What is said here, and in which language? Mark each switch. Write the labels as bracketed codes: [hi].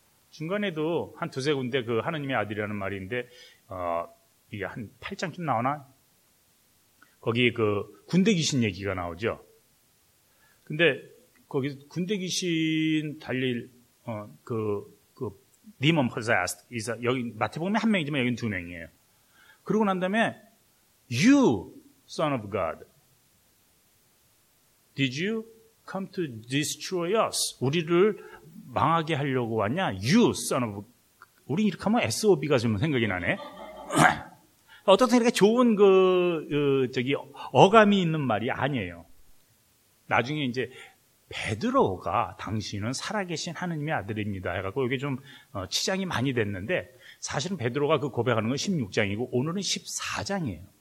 [ko] 중간에도 한 두세 군데 그 하나님의 아들이라는 말인데 이게 한 8장쯤 나오나? 거기 그 군대 귀신 얘기가 나오죠. 근데 거기 군대 귀신 달릴 그 demon possessed 이사 여기 마태복음에 한 명이지만 여기는 두 명이에요. 그러고 난 다음에 [en] You, son of God, did you come to destroy us? [ko] 우리를 망하게 하려고 왔냐? [en] You, son of [ko] 우리 이렇게 하면 SOB가 좀 생각이 나네. 어떻든 이렇게 좋은 저기 어감이 있는 말이 아니에요. 나중에 이제 베드로가 당신은 살아계신 하느님의 아들입니다 해갖고 이게 좀 치장이 많이 됐는데 사실은 베드로가 그 고백하는 건 16장이고 오늘은 14장이에요.